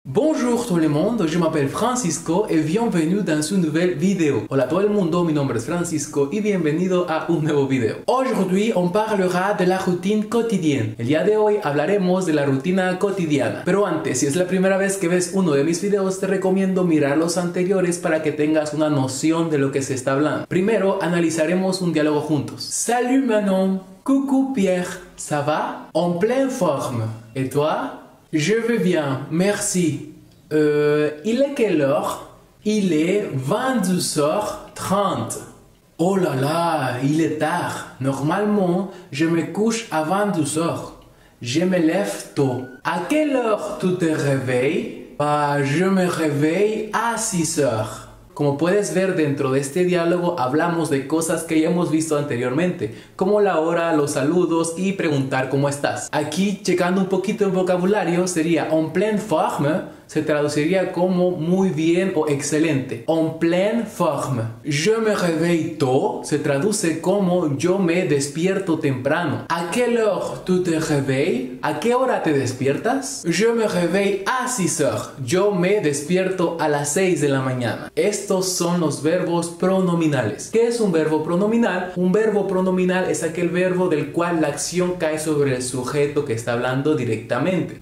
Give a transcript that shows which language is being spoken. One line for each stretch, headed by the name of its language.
French: Bonjour tout le monde, je m'appelle Francisco et bienvenue dans une nouvelle vidéo.
Spanish: Hola a todo el mundo, mi nombre es Francisco y bienvenido a un nuevo video.
French: Aujourd'hui, on parlera de la routine quotidienne.
Spanish: El día de hoy hablaremos de la rutina cotidiana. Pero antes, si es la primera vez que ves uno de mis videos, te recomiendo mirar los anteriores para que tengas una noción de lo que se está hablando. Primero, analizaremos un diálogo juntos.
French: Salut Manon, coucou Pierre, ça va? En pleine forme. Et toi? Je vais bien, merci. Il est quelle heure? Il est 22h30. Oh là là, il est tard. Normalement, je me couche à 22h. Je me lève tôt. À quelle heure tu te réveilles? Bah, je me réveille à 6h.
Spanish: Como puedes ver dentro de este diálogo, hablamos de cosas que ya hemos visto anteriormente, como la hora, los saludos y preguntar cómo estás. Aquí, checando un poquito el vocabulario, sería
French: en pleine forme,
Spanish: se traduciría como muy bien o excelente.
French: En pleine forme. Je me réveille tôt,
Spanish: se traduce como yo me despierto temprano.
French: À quelle heure tu te réveilles?
Spanish: ¿A qué hora te despiertas?
French: Je me réveille à 6h.
Spanish: Yo me despierto a las 6 de la mañana. Estos son los verbos pronominales. ¿Qué es un verbo pronominal? Un verbo pronominal es aquel verbo del cual la acción cae sobre el sujeto que está hablando directamente.